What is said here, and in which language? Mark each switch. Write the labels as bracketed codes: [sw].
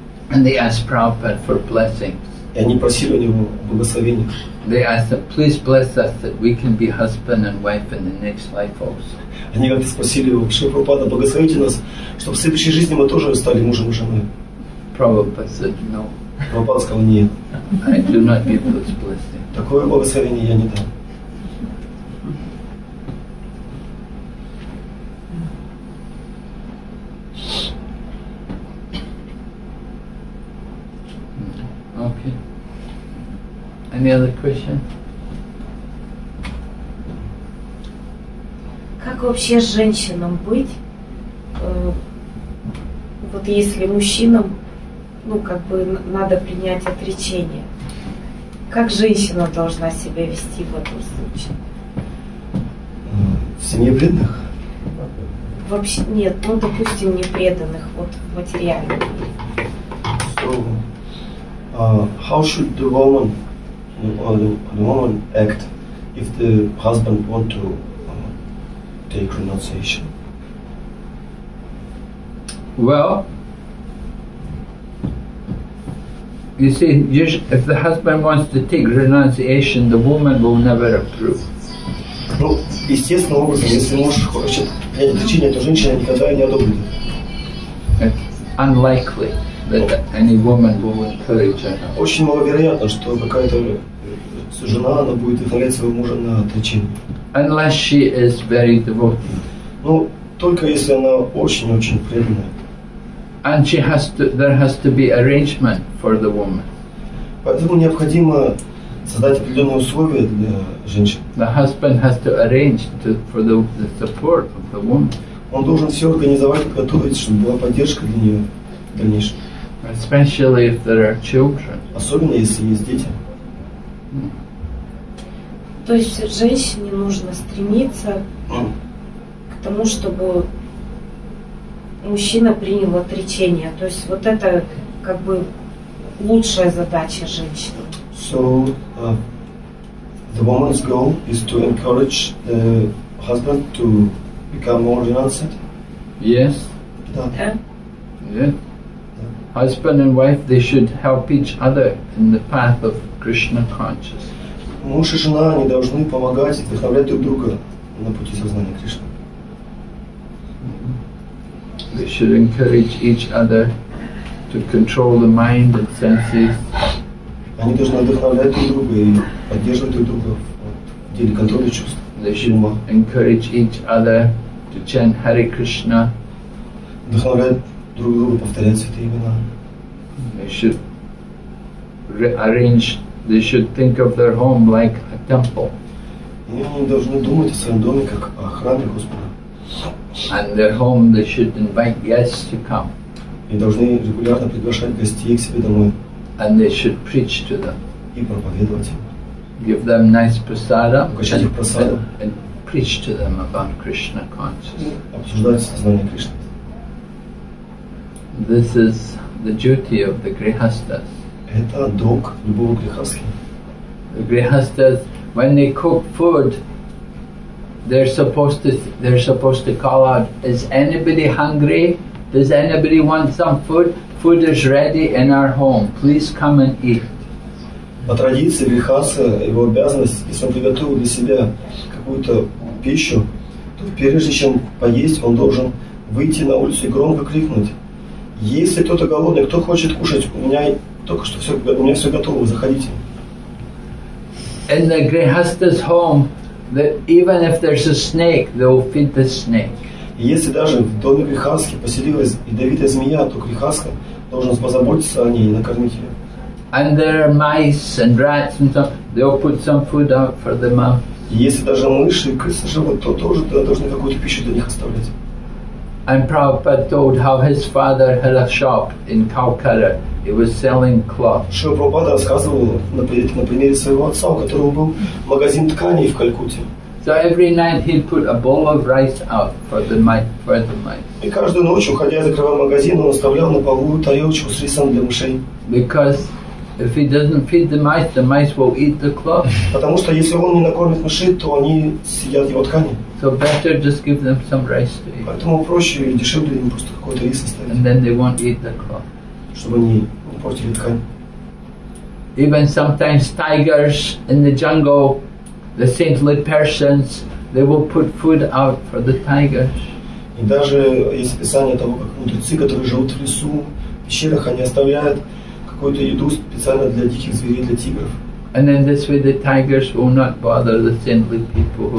[en] And they asked Prabhupada for blessings. They asked him, please bless us that we can be husband and wife in the next life also. [ru] Они как-то спросили его, Шри Прабхупада, благословите нас, чтобы в следующей жизни мы тоже стали мужем и женой. [en] Prabhupada said no. [ru] Прабхупада сказал, нет. [en] I do not give those blessings. [ru] Такое благословение я не дам. [en] Okay. Any other question? [ru] Как вообще с женщинам быть? Вот если мужчинам ну, как бы, надо принять отречение. Как женщина должна себя вести в этом случае? В семье бедных? В вообще нет, ну, допустим, не преданных вот материально. [en] So, how should the woman act if the husband want to take renunciation? Well, you see, usually if the husband wants to take renunciation, the woman will never approve. [ru] Ну, естественно, если муж хочет отречение, то женщина никогда не одобрит. [en] It's unlikely that any woman will encourage her. [ru] Очень маловероятно, что какая-то жена, она будет вызывать своего мужа на отречение. [en] Unless she is very devoted. [ru] Ну, только если она очень-очень преданная. [en] And she has to, there has to be arrangement for the woman. [ru] Поэтому необходимо создать определенные условия для женщин. [en] The husband has to arrange to, for the support of the woman. [ru] Он должен все организовать и готовить, чтобы была поддержка для нее в дальнейшем. [en] Especially if there are children. [ru] Особенно если есть дети. То есть женщине нужно стремиться к тому, чтобы мужчина принял отречение. То есть вот это как бы лучшая задача женщины. [en] So, the woman's goal is to encourage the husband to become more renounced? Yes. Yeah. Husband and wife, they should help each other in the path of Krishna consciousness. [ru] Муж и жена, они должны помогать и вдохновлять друг друга на пути сознания Кришны. [en] They should encourage each other to control the mind and senses. [ru] Они должны вдохновлять друг друга и поддерживать друг друга в деле контроля чувств. [en] They should encourage each other to chant Hare Krishna. [ru] Вдохновлять друг друга повторять святые имена. [en] They should rearrange. They should think of their home like a temple. [ru] И они должны думать о своем доме как о храме Господа. [en] And their home, they should invite guests to come. [ru] И должны регулярно приглашать гостей к себе домой. [en] And they should preach to them. [ru] И проповедовать им. [en] Give them nice prasada. [ru] Угощать их прасадой. [en] And preach to them about Krishna consciousness. [ru] Обсуждать сознание Кришны. [en] This is the duty of the grihasthas. [ru] Это долг любого грихасхи. [en] The grihasthas, when they cook food, they're supposed to call out, "Is anybody hungry? Does anybody want some food? Food is ready in our home. Please come and eat." [ru] По традиции грихаса, его обязанность, если он приготовил для себя какую-то пищу, то прежде чем поесть, он должен выйти на улицу и громко крикнуть: "Если кто-то голодный, кто хочет кушать? У меня только что все, у меня все готово. Заходите." [en] In the grihasta's home, that even if there's a snake, they will feed the snake. [ru] И если даже в доме грихасхи поселилась ядовитая змея, то грихасха должен позаботиться о ней и накормить ее. [en] And there are mice and rats and so they'll put some food out for the mouse. [ru] И если даже мыши и крысы живут, то тоже должны какую-то пищу для них оставлять. [en] And Prabhupada told how his father had a shop in Calcutta. He was selling cloth. [ru] Шрила Прабхупада рассказывал на примере своего отца, у которого был магазин тканей в Калькутте. [en] So every night he'd put a bowl of rice out for the mice. [ru] И каждую ночь, уходя, закрывал магазин, он оставлял на полу тарелочку с рисом для мышей. [en] Because if he doesn't feed the mice will eat the cloth. [ru] Потому что если он не накормит мышей, то они съедят его ткани. [en] So better just give them some rice to eat. [ru] Поэтому проще и дешевле им просто какой-то рис оставить. [en] And then they won't eat the cloth. [ru] Чтобы они не портили ткань. [en] Even sometimes tigers in the jungle, the saintly persons, they will put food out for the tigers. [ru] И даже есть описание того, как мудрецы, которые живут в лесу, в пещерах, они оставляют какую-то еду специально для диких зверей, для тигров. [en] And then this way the tigers will not bother the saintly people who